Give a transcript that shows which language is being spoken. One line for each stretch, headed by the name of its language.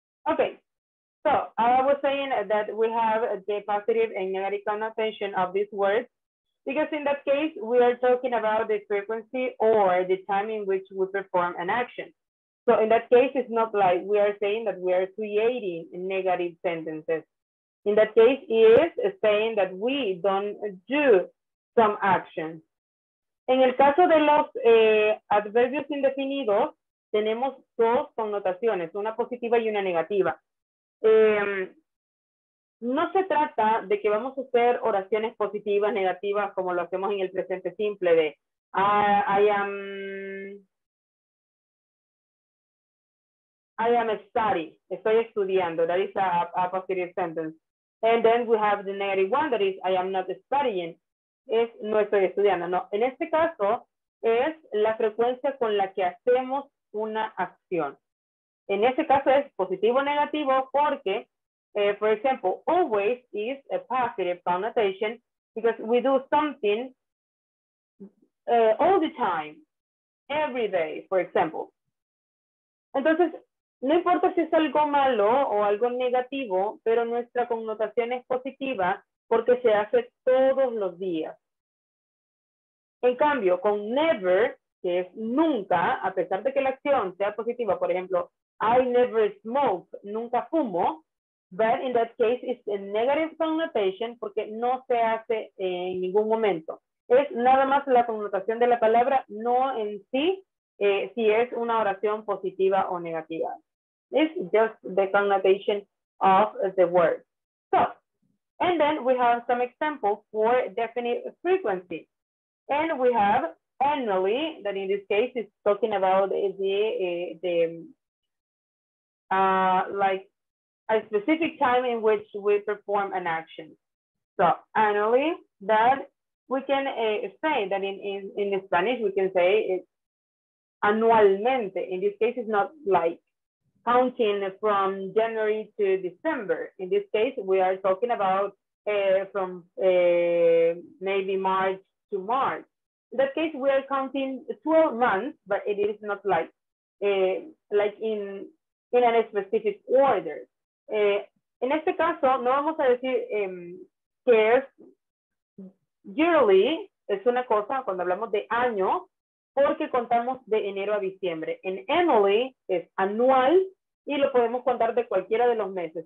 English: Okay, so I was saying that we have the positive and negative connotation of this word, because in that case, we are talking about the frequency or the time in which we perform an action. So in that case, it's not like we are saying that we are creating negative sentences. In that case, it is saying that we don't do some action.
Spanish: En el caso de los adverbios indefinidos, tenemos dos connotaciones, una positiva y una negativa. No se trata de que vamos a hacer oraciones positivas, negativas, como lo hacemos en el presente simple de
English: I am studying,
Spanish: estoy estudiando,
English: that is a positive sentence. And then we have the negative one, that is I am not studying.
Spanish: Es no estoy estudiando, no. En este caso, es la frecuencia con la que hacemos una acción. En este caso es positivo o negativo porque,
English: for example, always is a positive connotation because we do something all the time, every day, for example.
Spanish: Entonces, no importa si es algo malo o algo negativo, pero nuestra connotación es positiva porque se hace todos los días. En cambio, con never, que es nunca, a pesar de que la acción sea positiva, por ejemplo,
English: I never smoke,
Spanish: nunca fumo,
English: but in that case it's a negative connotation
Spanish: porque no se hace en ningún momento. es nada más la connotación de la palabra, no en sí, si es una oración positiva o negativa.
English: It's just the connotation of the word. So, and then we have some examples for definite frequency. And we have annually, that in this case is talking about a specific time in which we perform an action. So annually, that we can say that in Spanish, we can say it anualmente. In this case, it's not like counting from January to December. In this case, we are talking about maybe March to March. In that case, we are counting 12 months, but it is not like in a specific order.
Spanish: En este caso, no vamos a decir que es yearly, es una cosa cuando hablamos de año, porque contamos de enero a diciembre. En annually es anual y lo podemos contar de cualquiera de los meses.